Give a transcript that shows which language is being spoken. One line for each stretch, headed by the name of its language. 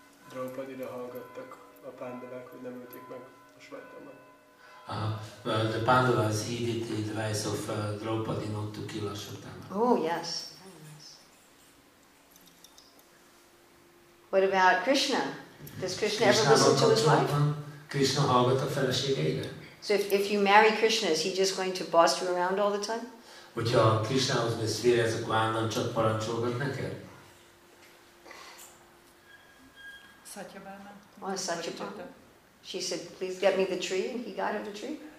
Hungarian: Draupadira hallgattak a Pandavák, hogy nem ölték meg a Svetlanát.
English: Well, the Pandavas heeded the advice of Draupadi not to kill Ashwatthama. Oh, yes. What about Krishna? Does Krishna ever listen to his wife?
Hungarian: Krishna hallgat a feleségére.
English: So if you marry Krishna, is he just going to boss you around all the time?
Hungarian: Hogyha Krishnahoz mész férjhez, akkor állandóan csak parancsolgat neked?
English: Oh, Satyabhama. She said, please get me the tree, and he got her the tree.